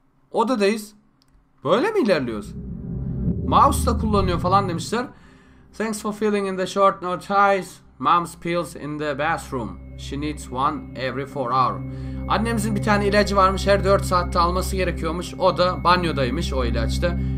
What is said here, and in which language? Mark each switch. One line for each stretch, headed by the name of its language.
Turkish: Odadayız. Böyle mi ilerliyoruz? Mouse da kullanıyor falan demişler.
English: Thanks for filling in the short notice. Mom's pills in the bathroom. She needs one every 4 hours.
Turkish: Annemizin bir tane ilacı varmış. Her 4 saatte alması gerekiyormuş. O da banyodaymış o ilaçta.